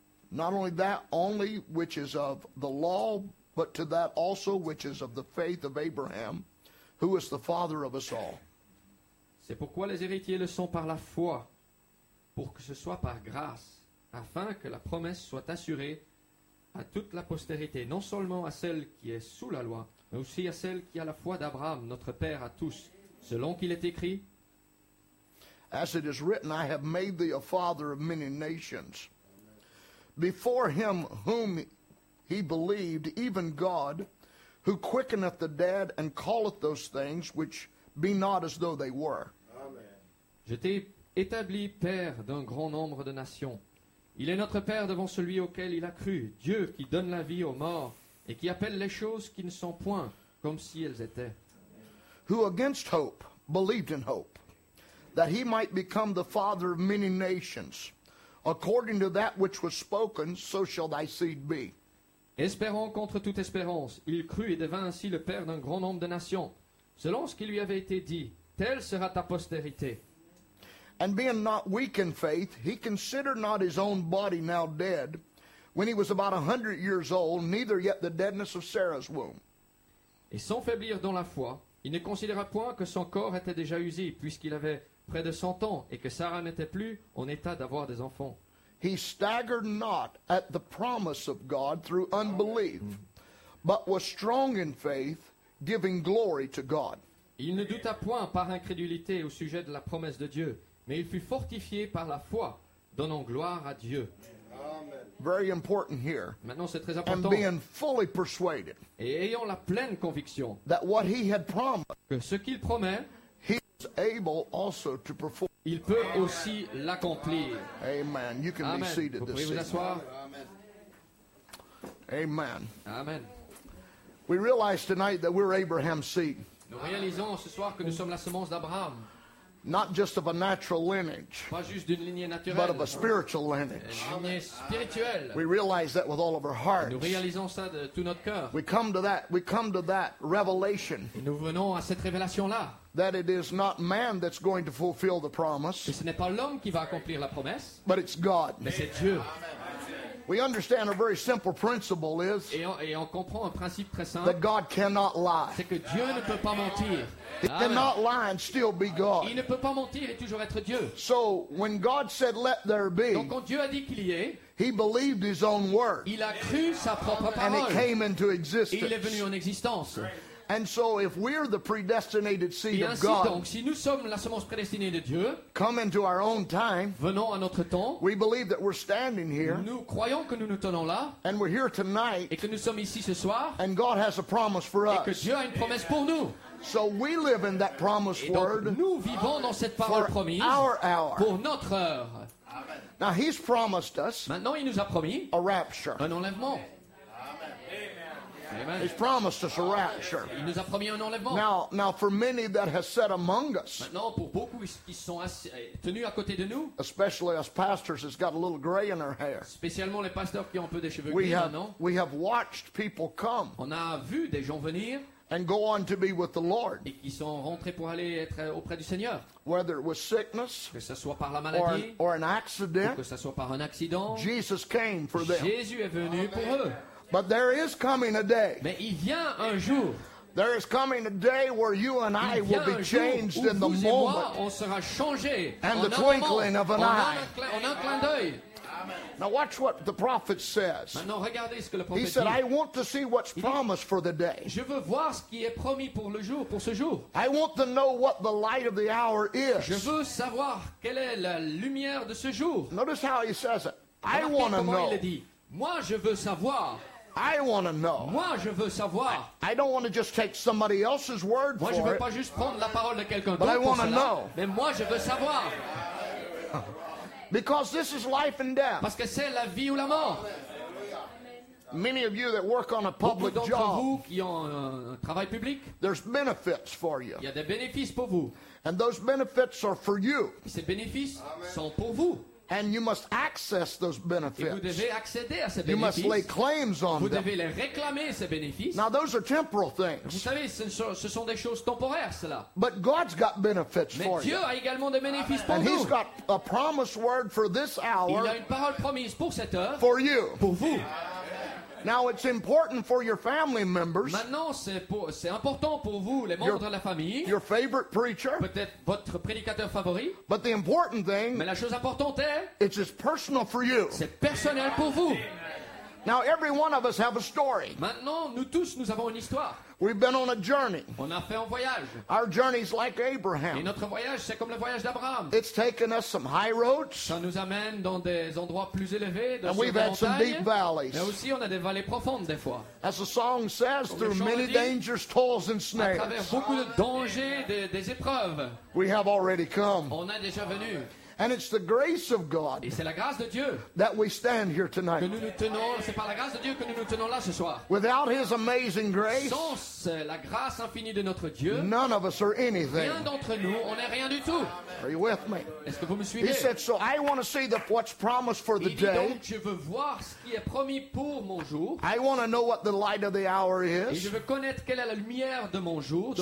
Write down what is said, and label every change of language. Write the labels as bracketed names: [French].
[English] Not only that, only which is of the law, but to that also which is of the faith of Abraham, who is the father of us all. [French] C'est pourquoi les héritiers le sont par la foi, pour que ce soit par grâce. Afin que la promesse soit assurée à toute la postérité, non seulement à celle qui est sous la loi, mais aussi à celle qui a la foi d'Abraham, notre père à tous, selon qu'il est écrit. [English] As it is written, I have made thee a father of many nations. Before him whom he believed, even God, who quickeneth the dead and calleth those things which be not as though they were. [French] Amen. Je t'ai établi père d'un grand nombre de nations. Il est notre Père devant celui auquel il a cru, Dieu qui donne la vie aux morts et qui appelle les choses qui ne sont point comme si elles étaient. [English] Who against hope believed in hope, that he might become the father of many nations, according to that which was spoken, so shall thy seed be. [French] Espérant contre toute espérance, il crut et devint ainsi le Père d'un grand nombre de nations, selon ce qui lui avait été dit, telle sera ta postérité. [English] And being not weak in faith, he considered not his own body now dead, when he was about 100 years old, neither yet the deadness of Sarah's womb. [French] Et sans faiblir dans la foi, il ne considéra point que son corps était déjà usé, puisqu'il avait près de 100 ans, et que Sarah n'était plus en état d'avoir des enfants. [English] He staggered not at the promise of God through unbelief, but was strong in faith, giving glory to God. [French] Il ne douta point par incrédulité au sujet de la promesse de Dieu. Mais il fut fortifié par la foi, donnant gloire à Dieu. [English] Amen. Very important here. [French] Maintenant, c'est très important. [English] And being fully persuaded. [French] Et ayant la pleine conviction. [English] That what he had promised. [French] Que ce qu'il promet. [English] He is able also to perform. [French] Il peut Amen. Aussi l'accomplir. [English] Amen. You can Amen. Be seated this evening. [French] Vous pouvez vous asseoir. Amen. Amen. [English] We realize tonight that we're Abraham's seed. [French] Nous réalisons ce soir que nous sommes la semence d'Abraham. [English] Not just of a natural lineage, [French] pas juste d'une lignée naturelle, [English] but of a spiritual lineage. [French] Une lignée spirituelle. [English] We realize that with all of our hearts. [French] Nous réalisons ça de tout notre cœur. [English] We come to that revelation. [French] Et nous venons à cette révélation-là. [English] That it is not man that's going to fulfill the promise. [French] Et ce n'est pas l'homme qui va accomplir la promesse. [English] But it's God. [French] Mais c'est Dieu. Amen. [English] We understand a very simple principle is [French] et on comprend un principe très simple, [English] that God cannot lie. [French] C'est que Dieu ne peut pas mentir. [English] He cannot lie and still be God. [French] Il ne peut pas mentir et toujours être Dieu. [English] So when God said, "Let there be," [French] donc quand Dieu a dit qu'il y ait, [English] he believed his own word. [French] Il a cru sa propre parole. [English] And it came into existence. [French] Il est venu en existence. [English] And so if we're the predestinated seed of [French] God, donc, si nous sommes la semence prédestinée de Dieu, [English] come into our own time, [French] venons à notre temps, [English] we believe that we're standing here, [French] nous croyons que nous nous tenons là, [English] and we're here tonight, [French] et que nous sommes ici ce soir, [English] and God has a promise for us. [French] Et que Dieu a une promesse pour nous. [English] So we live in that promise [French] et donc, [English] word [French] nous vivons dans cette parole [English] for promise our hour. [French] Pour notre heure. Amen. [English] Now he's promised us [French] maintenant, il nous a promis [English] a rapture. [French] Un enlèvement. Amen. [English] He's promised us a rapture. [French] Il nous a promis un enlèvement. [English] Now for many that have sat among us, [French] maintenant, pour beaucoup qui sont tenus à côté de nous, [English] especially us pastors, has got a little gray in our hair. [French] Spécialement les pasteurs qui ont un peu des cheveux gris maintenant. [English] We have watched people come. [French] On a vu des gens venir. [English] And go on to be with the Lord. [French] Et qui sont rentrés pour aller être auprès du Seigneur. [English] Whether it was sickness, [French] que ce soit par la maladie, [English] or an accident, [French] ou que ce soit par un accident, [English] Jesus came for them. [French] Jésus est venu Amen. Pour eux. [English] But there is coming a day. [French] Mais il vient un jour. [English] There is coming a day where you and I will be changed in the moment. [French] Moi, on sera changé [English] and the twinkling [French] moment, [English] of an eye. [French] En un clin d'œil. [English] Now watch what the prophet says. [French] Maintenant, regardez ce que le prophète [English] he said, [French] dit. [English] I want to see what's promised for the day. [French] Je veux voir ce qui est promis pour le jour, pour ce jour. [English] I want to know what the light of the hour is. [French] Je veux savoir quelle est la lumière de ce jour. [English] Notice how he says it. I want to know. [French] Moi, je veux savoir. [English] I want to know. [French] Moi, je veux savoir. [English] I don't want to just take somebody else's word [French] moi, [English] for [French] je veux [English] it. [French] Pas juste prendre la parole de quelqu'un [English] but I want to know. [French] Mais moi, je veux savoir. [English] Because this is life and death. [French] Parce que c'est la vie ou la mort. [English] Many of you that work on a public job, [French] vous qui ont un travail public, [English] there's benefits for you. [French] Il y a des bénéfices pour vous. [English] And those benefits are for you. [French] Et ces bénéfices Amen. Sont pour vous. [English] And you must access those benefits. [French] Et vous devez accéder à ces bénéfices. [English] You must lay claims on [French] vous [English] them. [French] Devez les réclamer, ces bénéfices. [English] Now those are temporal things. [French] Vous savez, ce sont des choses temporaires, cela. [English] But God's got benefits [French] mais [English] for [French] Dieu [English] you. [French] A également des bénéfices [English] and he's [French] nous. [English] Got a promise word for this hour. [French] Il a une parole promise pour cette heure. [English] For you. [French] Pour vous. [English] Now it's important for your family members. [French] Maintenant, c'est important pour vous, les membres de la famille. [English] Your favorite preacher. [French] Peut-être votre prédicateur favori. [English] But the important thing. [French] Mais la chose importante est. [English] It's just personal for you. [French] C'est personnel pour vous. [English] Now every one of us have a story. [French] Maintenant, nous tous, nous avons une histoire. [English] We've been on a journey. [French] On a fait un voyage. [English] Our journey's like Abraham. [French] Et notre voyage, c'est comme le voyage d'Abraham. [English] It's taken us some high roads. [French] Ça nous amène dans des endroits plus élevés, [English] and we've had some deep valleys. [French] Mais aussi, on a des vallées profondes des fois. [English] As the song says, through many dangers, toils and snares. [French] À travers beaucoup de dangers, des épreuves. [English] We have already come. [French] On est déjà venu. [English] And it's the grace of God [French] et c'est la grâce de Dieu [English] that we stand here tonight. [French] Que nous nous tenons, c'est par la grâce de Dieu que nous nous tenons là ce soir. [English] Without his amazing grace, [French] sans la grâce infinie de notre Dieu, [English] none of us are anything. [French] Rien d'entre nous, on n'est rien du tout. [English] Are you with me? [French] Est-ce que vous me suivez? [English] He said, so I want to see what's promised for the day. [French] Il dit donc, je veux voir ce qui est promis pour mon jour. [English] I want to know what the light of the hour is. [French] Et je veux connaître quelle est la lumière de mon jour, de